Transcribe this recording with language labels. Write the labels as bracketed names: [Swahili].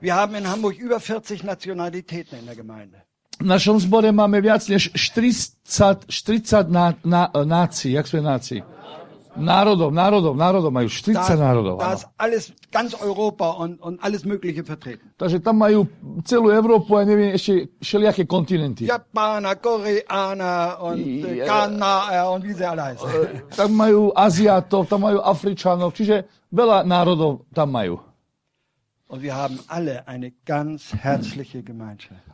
[German] Wir haben in Hamburg über 40 Nationalitäten in der Gemeinde. [Slovak] V našom zbore máme viac než 40 nácií. Jak sú nácií? Národov majú 40 da, národov. [German] Da ist alles, ganz Europa und alles mögliche vertreten. [Slovak] Takže tam majú celú Európu a neviem, ešte všelijaké kontinenty. [German] Japana, Koreana und Ghana und wie sie alle heißen. [Slovak] Tam majú Aziatov, tam majú Afričanov, čiže veľa národov tam majú. [German] Und wir haben alle eine ganz herzliche Gemeinschaft.